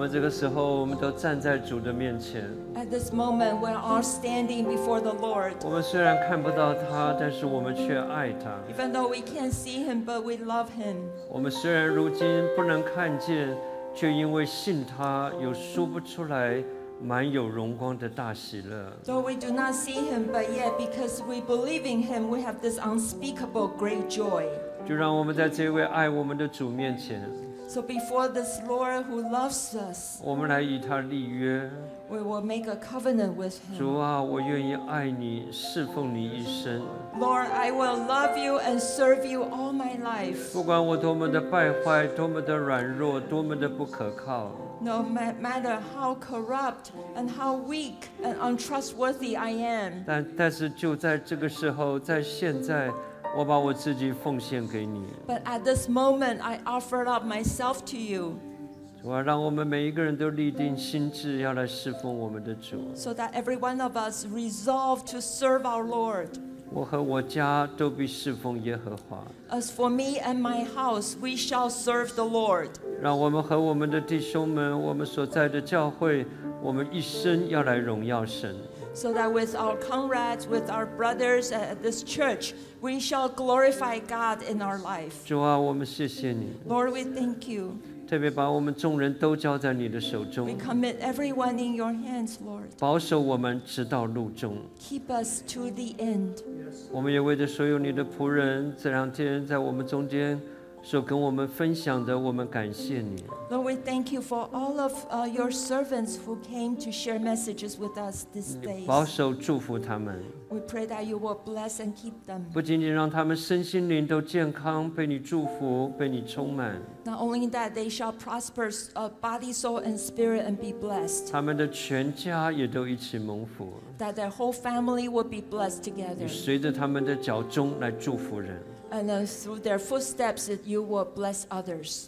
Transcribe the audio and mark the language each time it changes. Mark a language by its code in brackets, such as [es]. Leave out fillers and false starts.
[zh] 时候，我们都站在主的面前。 [en] At this moment, we're all standing before the Lord. [zh] 我们虽然看不到他，但是我们却爱他。 [en] Even though we can't see him, but we love him. [zh] 我们虽然如今不能看见，却因为信他，有说不出来满有荣光的大喜乐。 [en] Though we do not see him, but yet because we believe in him, we have this unspeakable great joy. [zh] 就让我们在这位爱我们的主面前。 [en] So before this Lord who loves us, [zh] 我们来与他立约。 [en] We will make a covenant with him. [zh] 主啊，我愿意爱你，侍奉你一生。 [en] Lord, I will love you and serve you all my life. [zh] 不管我多么的败坏，多么的软弱，多么的不可靠。 [en] No matter how corrupt and how weak and untrustworthy I am. [zh] 但是就在这个时候，在现在。我把我自己奉献给你。 [en] But at this moment, I offer up myself to you. [zh] 主啊，让我们每一个人都立定心志，要来侍奉我们的主。 [en] So that every one of us resolve to serve our Lord. [zh] 我和我家都必侍奉耶和华。 [en] As for me and my house, we shall serve the Lord. [zh] 让我们和我们的弟兄们，我们所在的教会，我们一生要来荣耀神。 [en] So that with our comrades, with our brothers at this church, we shall glorify God in our life. [zh] 主啊，我们谢谢你。 [en] Lord, we thank you. [zh] 特别把我们众人都交在你的手中。 [en] We commit everyone in your hands, Lord. [zh] 保守我们直到路终。 [en] Keep us to the end. [zh] 我们也为着所有你的仆人，这两天在我们中间。所跟我们分享的，我们感谢你。 [en] Lord, we thank you for all of your servants who came to share messages with us this day. [zh] 保守祝福他们。 [en] We pray that you will bless and keep them. [zh] 不仅仅让他们身心灵都健康，被你祝福，被你充满。 [en] Not only that, they shall prosper body, soul, and spirit and be blessed. [zh] 他们的全家也都一起蒙福。 [en] That their whole family will be blessed together. [zh] 你随着他们的脚踪来祝福人。 [en] And through their footsteps, you will bless others.